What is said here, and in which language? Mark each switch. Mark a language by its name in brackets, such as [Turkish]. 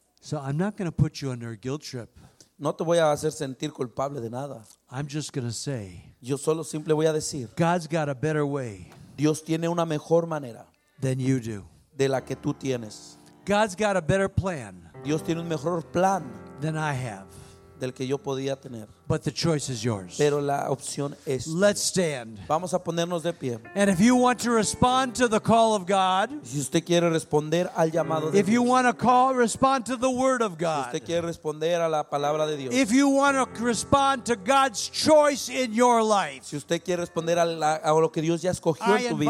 [English] So I'm not going to put you under a guilt trip. [Spanish] No te voy a hacer sentir culpable de nada. [English] I'm just going to say. [Spanish] Yo solo simple voy a decir. [English] God's got a better way. [Spanish] Dios tiene una mejor manera. [English] Than you do. [Spanish] De la que tú tienes. [English] God's got a better plan. [Spanish] Dios tiene un mejor plan. [English] Than I have. [Spanish] Del que yo podía tener. [English] But the choice is yours. [Spanish] Pero la opción es. [English] Let's stand. [Spanish] Vamos a ponernos de pie. [English] And if you want to respond to the call of God. [Spanish] Si usted quiere responder al llamado de [English] if [Spanish] Dios. [English] You want to call, respond to the word of God. [Spanish] Si usted quiere responder a la palabra de Dios. [English] If you want to respond to God's choice in your life. [Spanish] Si usted quiere responder a lo que Dios ya escogió en tu vida.